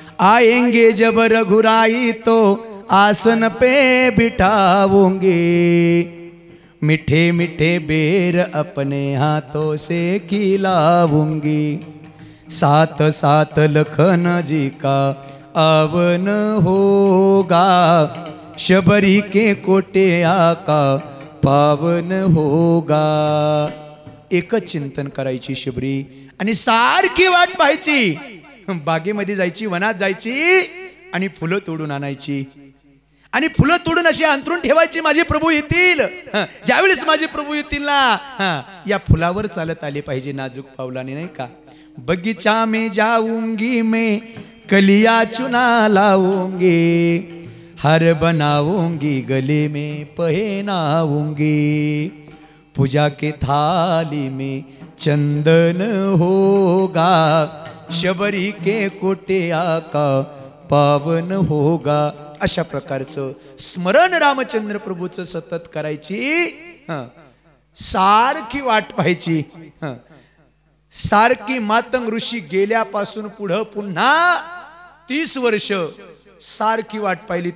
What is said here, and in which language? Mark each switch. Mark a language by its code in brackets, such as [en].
[hi] आएंगे जब रघुराई तो आसन पे बिठाओगे, मीठे मीठे बेर अपने हाथों से खिलाऊंगी। साथ साथ लखन जी का आवन होगा, शबरी के कोटिया का पावन होगा। [mr] एक चिंतन करायची शबरी आणि सारखी वाट पाहायची, बागेमध्ये जायची, वनात जायची आणि फुलं तोडून आणायची, आणि फुलं तोडून अशी अंतरून ठेवायची, माझे प्रभू येतील, ज्यावेळेस माझे प्रभू येतील ना या फुलावर चालत आले पाहिजे नाजूक पावलाने, नाही का। [hi] बगीचा मे जाऊंगी मे कलिया चुना लावूंगी, हार बनाऊंगी गले में पहनाऊंगी, पूजा के थाली में चंदन होगा, शबरी के कोटिया का पावन होगा। [mr] अशा प्रकारचं स्मरण रामचंद्र प्रभूचं सतत करायची, सारखी वाट पाहायची। सारखी मातंग ऋषी गेल्यापासून पुढं पुन्हा 30 वर्ष सारखी वाट पाहिली।